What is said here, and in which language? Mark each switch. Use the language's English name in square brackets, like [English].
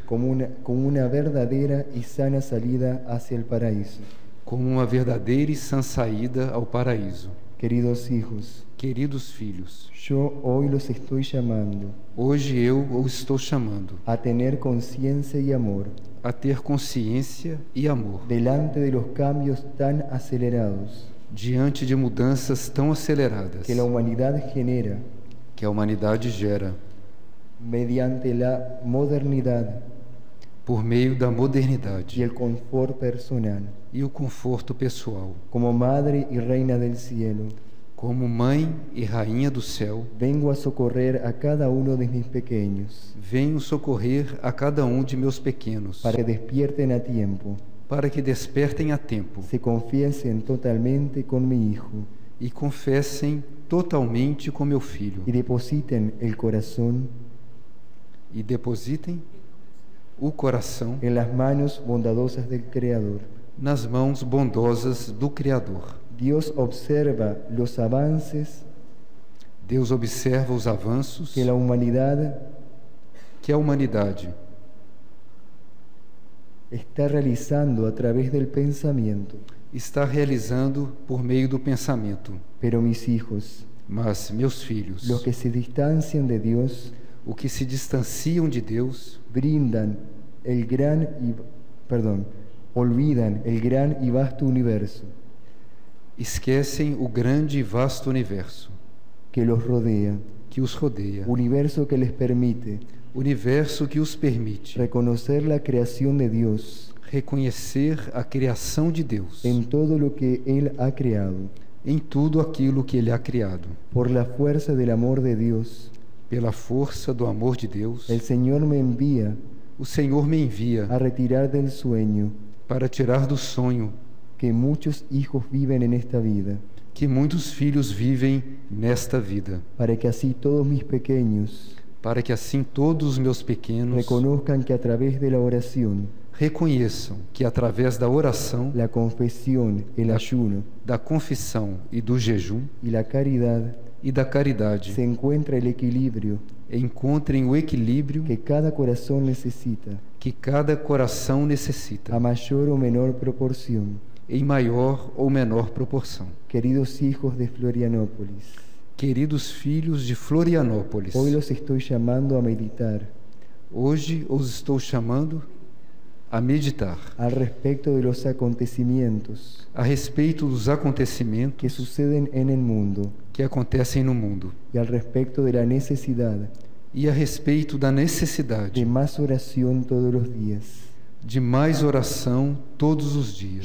[Spanish] como una verdadera y sana salida hacia el paraíso, [Portuguese] como uma verdadeira e sã saída ao paraíso. [Spanish] Queridos hijos, [Portuguese] queridos filhos, [Spanish] yo hoy los estoy llamando, [Portuguese] hoje eu os estou chamando, [Spanish] a tener conciencia y amor, [Portuguese] a ter consciência e amor, [Spanish] delante de los cambios tan acelerados, [Portuguese] diante de mudanças tão aceleradas, [Spanish] que la humanidad genera, [Portuguese] que a humanidade gera, [Spanish] mediante la modernidad, [Portuguese] por meio da modernidade, [Spanish] y el confort personal, [Portuguese] e o conforto pessoal, [Spanish] como madre y reina del cielo, [Portuguese] como mãe e rainha do céu, [Spanish] vengo a socorrer a cada uno de mis pequeños, [Portuguese] venho socorrer a cada um de meus pequenos, [Spanish] para que despierten a tiempo, [Portuguese] para que despertem a tempo, [Spanish] se confiesen totalmente con mi hijo, [Portuguese] e confessem totalmente com meu filho, [Spanish] y depositen el corazón, [Portuguese] e depositem o coração [Spanish] en las manos bondadosas del Creador, [Portuguese] nas mãos bondosas do Criador. [Spanish] Dios observa los avances, [Portuguese] Deus observa os avanços [Spanish] que la humanidad, [Portuguese] que a humanidade [Spanish] está realizando a través del pensamiento, [Portuguese] está realizando por meio do pensamento. [Spanish] Pero mis hijos, [Portuguese] mas meus filhos, [Spanish] los que se distancian de Dios, [Portuguese] o que se distanciam de Deus, [Spanish] brindam el gran y, perdón, olvidan el gran y vasto universo, [Portuguese] esquecem o grande e vasto universo, [Spanish] que los rodea, [Portuguese] que os rodeia, [Spanish] universo que les permite, [Portuguese] universo que os permite [Spanish] reconocer la creación de Dios, [Portuguese] reconhecer a criação de Deus [Spanish] en todo lo que él ha creado, [Portuguese] em tudo aquilo que ele ha criado, [Spanish] por la fuerza del amor de Dios, [Portuguese] pela força do amor de Deus, [Spanish] el Señor me envía, [Portuguese] o Senhor me envia [Spanish] a retirar del sueño, [Portuguese] para tirar do sonho [Spanish] que muchos hijos viven en esta vida, [Portuguese] que muitos filhos vivem nesta vida, [Spanish] para que así todos mis pequeños, [Portuguese] para que assim todos os meus pequenos [Spanish] reconozcan que a través de la oración, [Portuguese] reconheçam que através da oração, [Spanish] la confesión, el ayuno, [Portuguese] da confissão e do jejum, [Spanish] y la caridad, [Portuguese] e da caridade, [Spanish] se encuentra el equilibrio, [Portuguese] encontrem o equilíbrio [Spanish] que cada corazón necesita, [Portuguese] que cada coração necessita, [Spanish] a mayor o menor proporción, [Portuguese] em maior ou menor proporção. [Spanish] Queridos hijos de Florianópolis, [Portuguese] queridos filhos de Florianópolis, [Spanish] hoy los estoy llamando a meditar, [Portuguese] hoje os estou chamando a meditar [Spanish] al respecto de los acontecimientos, [Portuguese] a respeito dos acontecimentos [Spanish] que suceden en el mundo, [Portuguese] que acontecem no mundo, [Spanish] y al respecto de la necesidad, [Portuguese] e a respeito da necessidade [Spanish] de más oración todos los días, [Portuguese] de mais oração todos os dias.